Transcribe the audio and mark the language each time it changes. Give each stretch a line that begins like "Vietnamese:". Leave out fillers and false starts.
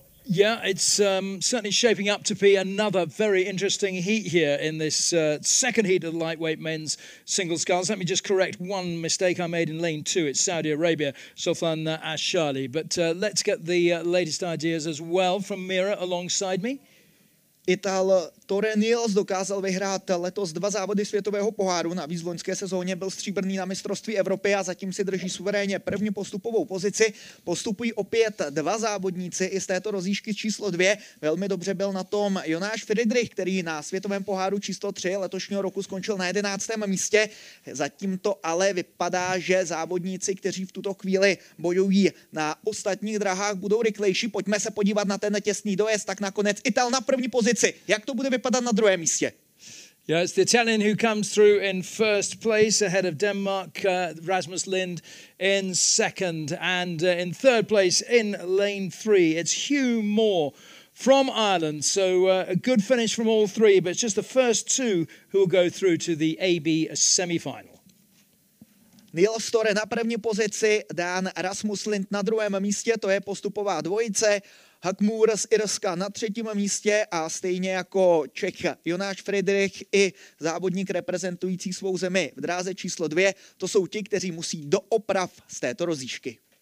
English: Yeah, it's certainly shaping up to be another very interesting heat here in this second heat of the lightweight men's single sculls. Let me just correct one mistake I made in lane two. It's Saudi Arabia, Sultan Al-Shali. But let's get the latest ideas as well from Mira alongside me.
Czech: Ital Torre Niels dokázal vyhrát letos dva závody světového poháru. Na výzloňské sezóně byl stříbrný na mistrovství Evropy a zatím si drží suverénně první postupovou pozici. Postupují opět dva závodníci i z této rozjížky číslo dvě. Velmi dobře byl na tom Jonáš Friedrich, který na světovém poháru číslo tři letošního roku skončil na 11. místě. Zatím to ale vypadá, že závodníci, kteří v tuto chvíli bojují na ostatních drahách, budou rychlejší. Pojďme se podívat na ten těsný dojezd. Tak nakonec Ital na první pozici. Jak to bude vypadat na druhém místě?
English: Yeah, it's the Italian who comes through in first place ahead of Denmark, Rasmus Lind in second. And in third place in lane three, it's Hugh Moore from Ireland. So a good finish from all three, but it's just the first two who will go through to the AB semi-final.
Czech: Niels Torre na první pozici, Dan Rasmus Lind na druhém místě, to je postupová dvojice. Huck Moore z Irska na třetím místě a stejně jako Čech Jonáš Friedrich i závodník reprezentující svou zemi v dráze číslo dvě, to jsou ti, kteří musí do oprav z této rozjížky.